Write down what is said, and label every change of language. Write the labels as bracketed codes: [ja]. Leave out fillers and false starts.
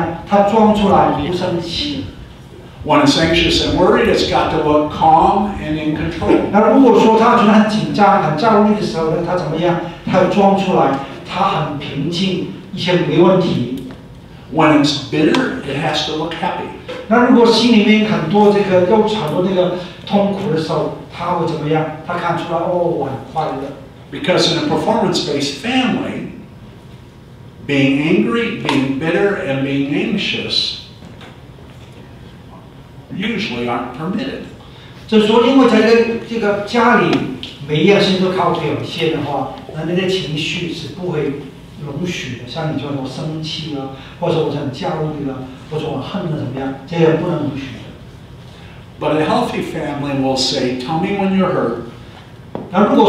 [zh] 那如果说他很生气的时候，他怎么样，他装出来不生气。 [en] When it's anxious and worried, it's got to look calm and in control. [zh] 那如果说他觉得很紧张、很焦虑的时候呢，他怎么样，他装出来他很平静。 [en] When it's bitter, it has to look happy. [zh] 那如果心里面很多这个忧愁、很多那个痛苦的时候，他会怎么样？他看出来，哦，我很快乐。Because [en] in a performance-based family, being angry, being bitter, and being anxious usually aren't permitted. [zh] 就说，因为在这个家里，每一样事情都靠表现的话，那那些情绪是不会。容许的，像你说我生气了，或者我很焦虑了，或者我恨了，怎么样？这也不能容许的。But [en] a healthy family will say, "Tell me when you're hurt."